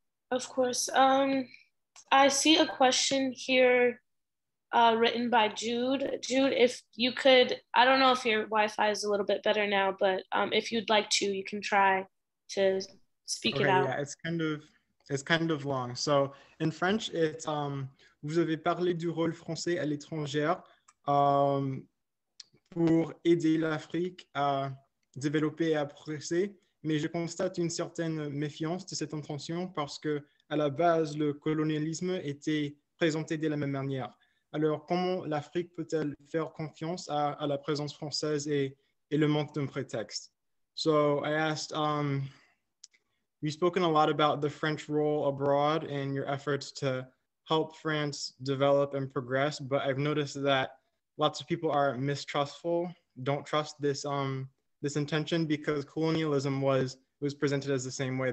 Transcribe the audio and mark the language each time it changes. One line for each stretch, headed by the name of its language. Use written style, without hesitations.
English: Of course. I see a question here written by Jude. Jude, if you could, I don't know if your Wi-Fi is a little bit better now, but if you'd like to, you can try to speak it out. Yeah, it's kind of long. So in French, it's
French: vous avez parlé du rôle français à l'étranger pour aider l'Afrique à développer et à progresser, mais je constate une certaine méfiance de cette intention parce que à la base, le colonialisme était présenté de la même manière. Alors, comment l'Afrique peut-elle faire confiance à la présence française et le manque d'un prétexte?
English: So I asked, you've spoken a lot about the French role abroad and your efforts to help France develop and progress, but I've noticed that lots of people are mistrustful, don't trust this this intention, because colonialism was presented as the same way.